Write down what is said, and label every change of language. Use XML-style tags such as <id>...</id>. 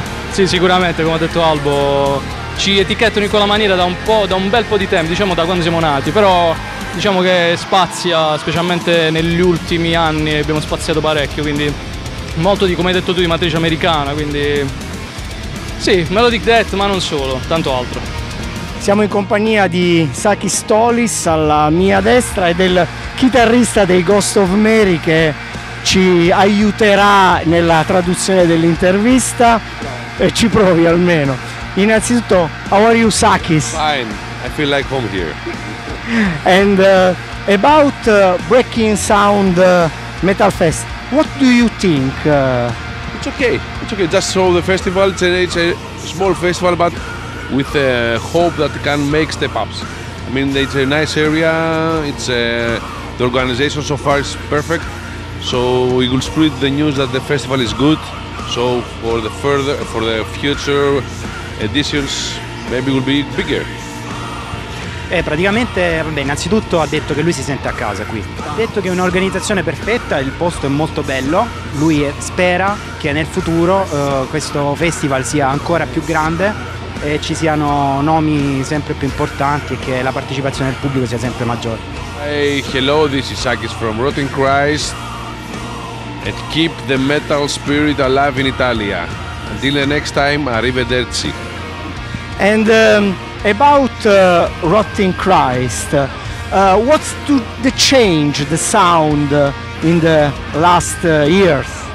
<it>sì, sicuramente, come ha detto Albo, ci etichettano in quella maniera da un po', da un bel po' di tempo, diciamo da quando siamo nati, però diciamo che spazia, specialmente negli ultimi anni abbiamo spaziato parecchio, quindi molto di, come hai detto tu, di matrice americana, quindi sì, Melodic Death, ma non solo, tanto altro. Siamo in compagnia di Saki Stolis alla mia destra e del chitarrista dei Ghost of Mary che ci aiuterà nella traduzione dell'intervista. E ci provi almeno. Innanzitutto,</it> <en>how are you,</en> <it>Sakis?</it> <en>Fine, I feel like home here. And about Breaking Sound Metal Fest, what do you think? It's okay. Just saw the festival. It's a small festival, but with a hope that it can make step ups. I mean, it's a nice area. It's the organization so far is perfect. So we will spread the news that the festival is good. So for the future editions, maybe will be bigger.</en> <it>Praticamente, vabbè, innanzitutto ha detto che lui si sente a casa qui. Ha detto che è un'organizzazione perfetta, il posto è molto bello. Lui spera che nel futuro questo festival sia ancora più grande e ci siano nomi sempre più importanti e che la partecipazione del pubblico sia sempre maggiore.</it> <en>Hey, hello, this is Sakis from Rotten Christ. And keep the metal spirit alive in Italia. Until the next time, arrivederci. And about Rotting Christ, what's the change, the sound in the last years?</en>